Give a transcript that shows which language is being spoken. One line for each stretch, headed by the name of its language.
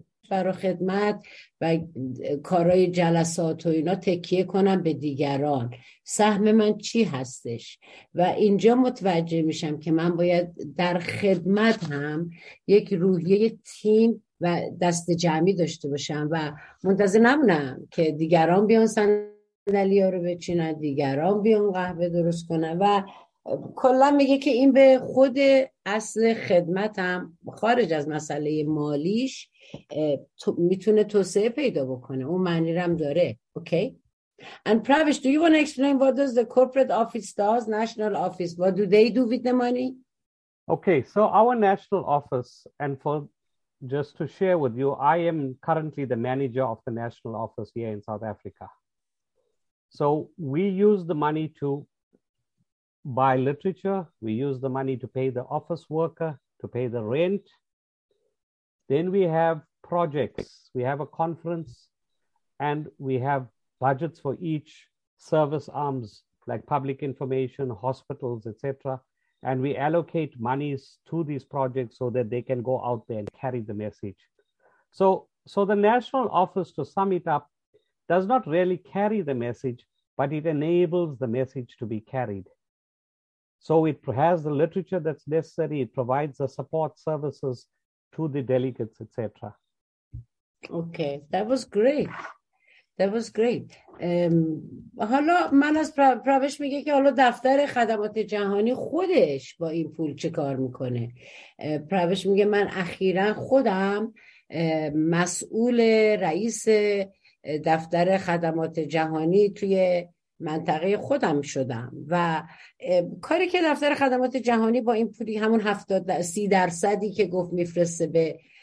Persian: برای خدمت و کارهای جلسات و اینا تکیه کنم به دیگران، سهم من چی هستش؟ و اینجا متوجه میشم که من باید در خدمت هم یک روحیه تیم و دست جمعی داشته باشم و منتظر نمونم که دیگران بیان صندلی ها رو بچینن، دیگران بیان قهوه درست کنن. و کلا میگه که این به خود اصل خدمتم خارج از مسئله مالیش میتونه توسعه پیدا بکنه، اون معنی رم داره. اوکی.
English: And Pravish, do you want to explain what does the corporate office does, national office, what do they do with the money? Okay, so our national office, and for just to share with you, I am currently the manager of the national office here in South Africa. So we use the money to buy literature, we use the money to pay the office worker, to pay the rent. Then we have projects, we have a conference, and we have budgets for each service arms, like public information, hospitals, etc. And we allocate monies to these projects so that they can go out there and carry the message. So the national office, to sum it up, does not really carry the message, but it enables the message to be carried. So it has the literature that's necessary, it provides the support services to the delegates, etc. Okay, that was great. That was great.
Persian: حالا من از پروش میگه که حالا دفتر خدمات جهانی خودش با این پول چه کار میکنه. پروش میگه من اخیرا خودم مسئول رئیس دفتر خدمات جهانی توی منطقه خودم شدم و کاری که دفتر خدمات جهانی با این پولی، همون 70-30% که گفت میفرسته به